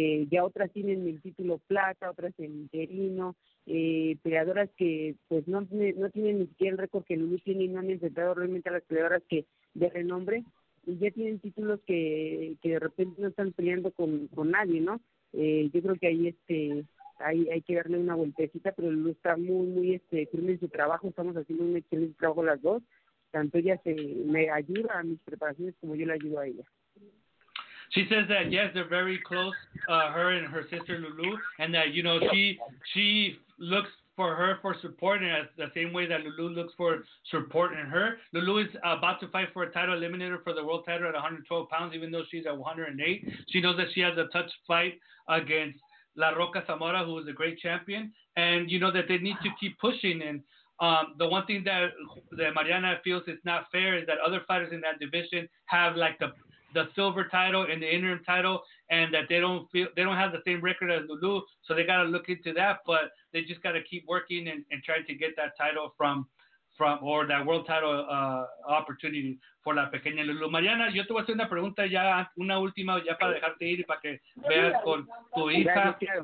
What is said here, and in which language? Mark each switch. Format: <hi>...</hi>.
<es>ya otras tienen el título plata, otras en interino, peleadoras que pues no tienen ni siquiera el récord que Lulu tiene y no han enfrentado realmente a las peleadoras que de renombre, y ya tienen títulos que de repente no están peleando con nadie, ¿no? Yo creo que ahí hay que darle una vueltecita, pero Lulu está muy, muy firme en su trabajo, estamos haciendo un excelente trabajo las dos. Tanto ella me ayuda a mis preparaciones como yo le ayudo a ella.</es> <en>She says that, yes, they're very close, her and her sister Lulu, and that, you know, she looks for her for support in the same way that Lulu looks for support in her. Lulu is about to fight for a title eliminator for the world title at 112 pounds, even though she's at 108. She knows that she has a touch fight against La Roca Zamora, who is a great champion, and, you know, that they need to keep pushing. And the one thing that Mariana feels is not fair is that other fighters in that division have like the silver title and the interim title, and that they don't have the same record as Lulu, so they gotta look into that. But they just gotta keep working and trying to get that title from or that world title opportunity for</en> <es>la pequeña Lulu. Mariana, yo te voy a hacer una pregunta ya, una última ya para dejarte ir y para que veas con tu hija.</es>